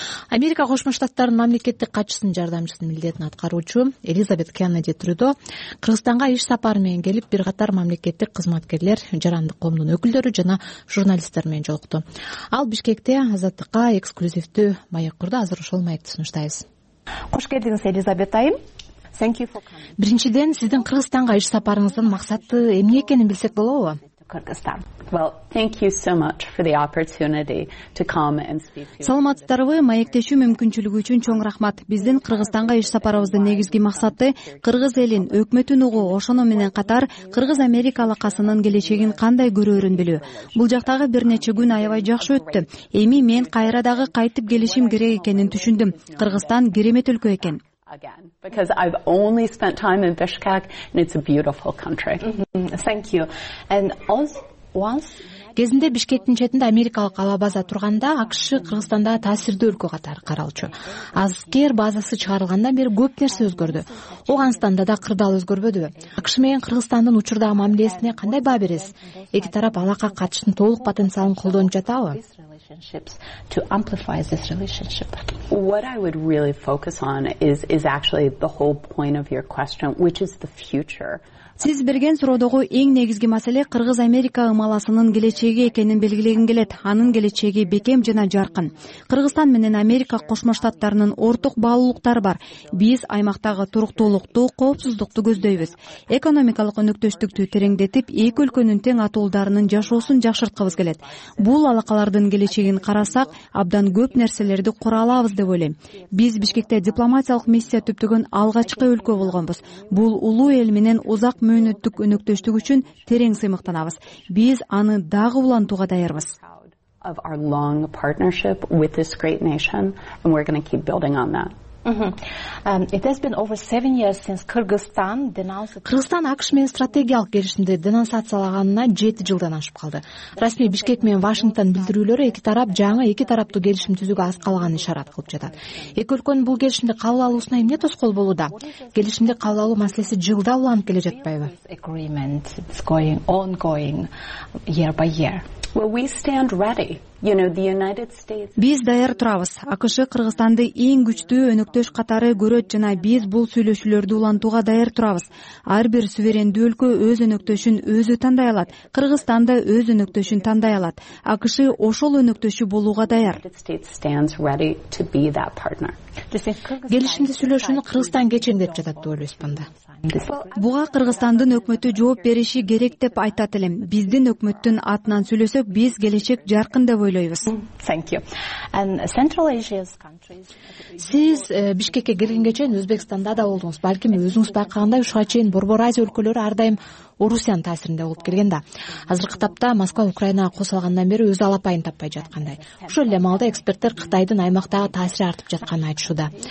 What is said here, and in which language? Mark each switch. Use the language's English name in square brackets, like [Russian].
[Kyrgyz] Америка Кошмо Штаттарынын мамлекеттик катчысынын жардамчысынын милдетин аткаруучу Элизабет Кеннеди Трюдо Кыргызстанга иш сапары менен келип, бир катар мамлекеттик кызматкерлер, жарандык коомдун өкүлдөрү жана журналисттер менен жолукту. Ал Бишкекте азаттыкка эксклюзивдүү маек курду. Азыр ушул маекти сунуштайбыз. Кош келдиңиз Элизабет айым. [English] Thank you for coming. [Kyrgyz] Биринчиден сиздин Кыргызстанга иш сапарыңыздын максаты эмне экенин билсек болобу? Кыргызстан. [English] Well, thank you so much for the opportunity to come and speak to you. [Kyrgyz] Саламатсыздарбы, маектешүү мүмкүнчүлүгү үчүн чоң рахмат. Биздин Кыргызстанга иш сапарыбыздын негизги максаты кыргыз элин, өкмөтүн угуу, ошону менен катар кыргыз Америка алакасынын келечегин кандай көрөрүн билүү. Бул жактагы бир нече күн аябай жакшы өттү. Эми мен кайра дагы кайтып келишим керек экенин түшүндүм. Кыргызстан керемет өлкө экен. [English] Again, because I've only spent time in Bishkek and it's a beautiful country. Thank you. And once [Kyrgyz] кезинде Бишкектин четинде Америкалык ала база турганда АКШ Кыргызстанда таасирдүү өлкө катары каралчу. Аскер базасы чыгарылгандан бери көп нерсе өзгөрдү. Ооганстанда да кырдаал өзгөрбөдүбү? АКШ менен Кыргызстандын учурдагы мамилесине кандай баа бересиз? Эки тарап алака катышынын толук потенциалын колдонуп жатабы? [English] To amplify this relationship. What I would really focus on is actually the whole point of your question, which is the future. [Kyrgyz] Сиз берген суроодогу эң негизги маселе кыргыз Америка ымаласынын келечеги экенин белгилегим келет. Анын келечеги бекем жана жаркын. Кыргызстан менен Америка Кошмо Штаттарынын ортук баалуулуктары бар. Биз аймактагы туруктуулукту, коопсуздукту көздөйбүз. Экономикалык өнөктөштүктү тереңдетип, эки өлкөнүн тең атуулдарынын жашоосун жакшырткыбыз келет. Бул алакалардын келечегин карасак, абдан көп нерселерди кура алабыз деп ойлойм. Биз Бишкекте дипломатиялык миссия түптөгөн алгачкы өлкө болгонбуз. Бул улуу эл менен узак мөөнөттүк өнөктөштүк үчүн терең сыймыктанабыз. Биз аны дагы улантууга даярбыз. [English] Of our long partnership with this great nation and we're going to keep building on that. It has been over 7 years since Kyrgyzstan denounced [Kyrgyz] Кыргызстан АКШ менен стратегиялык келишимди денонсациялаганына 7 жылдан ашып калды. Расмий Бишкек менен Вашингтон билдирүүлөрү эки тарап жаңы эки тараптуу келишим түзүүгө аз калганын ишарат кылып жатат. Эки өлкөнүн бул келишимди кабыл алуусуна эмне тоскоол болууда? Келишимди кабыл алуу маселеси жылда уланып келе жатпайбы? [English] Agreement is going ongoing year by year. Well, we stand ready. You know, the United States. [Kyrgyz] Биз даяр турабыз. АКШ Кыргызстанды эң күчтүү өнөктөш катары көрөт жана биз бул сүйлөшүүлөрдү улантууга даяр турабыз. Ар бир суверендүү өлкө өз өнөктөшүн өзү тандай алат. Кыргызстан да өз өнөктөшүн тандай алат. АКШ ошол өнөктөшү болууга даяр. Келишимди сүйлөшүүнү Кыргызстан кечиндеп жатат деп ойлойсуңбу анда? Буга Кыргызстандын өкмөтү жооп бериши керек деп айтат элем. Биздин өкмөттүн атынан сүйлөсөк, биз келечек жаркын деп ойлойбуз. [English] Thank you. And Central Asia's countries. [Kyrgyz] Сиз Бишкекке киргенге чейин Өзбекстанда да болдуңуз. Балким өзүңүз байкагандай ушуга чейин Борбор Азия өлкөлөрү ар дайым Орусиянын таасиринде болуп келген да. Азыркы тапта Москва Украинага кошулгандан бери өз алапайын таппай жаткандай. Ошол эле маалда эксперттер Кытайдын аймактагы таасири артып жатканын айтышууда.